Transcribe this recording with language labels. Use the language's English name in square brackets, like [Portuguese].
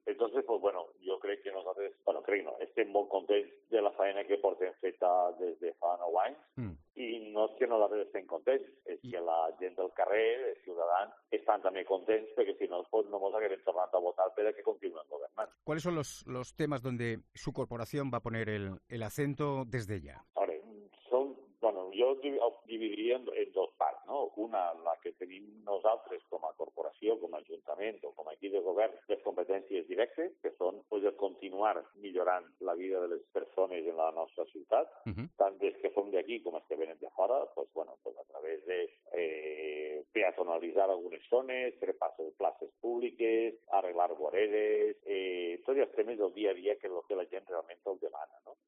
[Catalan] Entonces, pues, bueno, jo crec que nosaltres, bueno, crec no, estem molt contents de la feina que portem feta des de fa 9 anys. I no és que no l'altre estem contents, és que la gent del carrer, els ciutadans, estan també contents, perquè si no, pues, no ens haguem tornat a votar per a que continuen governant. [Spanish] ¿Cuáles son los temas donde su corporación va a poner el acento desde ella? Ahora, son, bueno, yo dividiría en dos parts, ¿no? [Catalan] Una, la que tenim nosaltres com a corporació, com a ajuntament o com a equip de govern, les competències directes, que són, pues, el continuar millorant la vida de les persones en la nostra ciutat, tant des que som d'aquí com els que venen de fora, pues, bueno, pues, a través de peatonalitzar algunes zones, fer passes, places públiques, arreglar voreres, tots els temes del dia a dia que és el que la gent realment el demana, no?